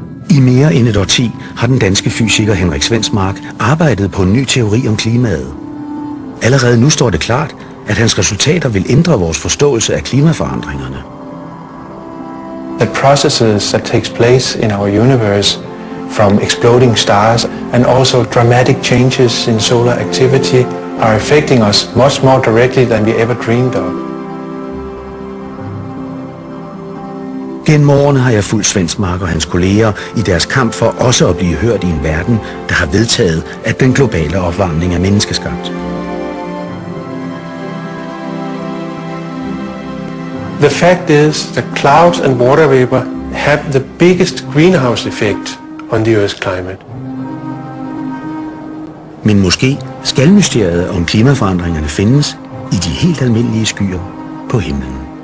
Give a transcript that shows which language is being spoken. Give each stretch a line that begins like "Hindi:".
Danish: I 10 har den danske fysiker Henrik Svensmark arbejdet på en ny teori om klimaet. Allerede nu står det klart, at hans resultater vil ændre vores forståelse af klimaforandringerne.
English: The processes that takes place in our universe, from exploding stars and also dramatic changes in solar activity, are affecting us much more directly than we ever dreamed of.
Danish: Gennem årene har jeg fulgt Svensmark og hans kolleger i deres kamp for også at blive hørt i en verden, der har vedtaget, at den globale opvarmning er menneskeskabt.
English: The fact is that clouds and water vapor have the biggest greenhouse effect on the Earth's climate.
Danish: Men måske skal mysteriet om klimaforandringerne findes i de helt almindelige skyer på himlen.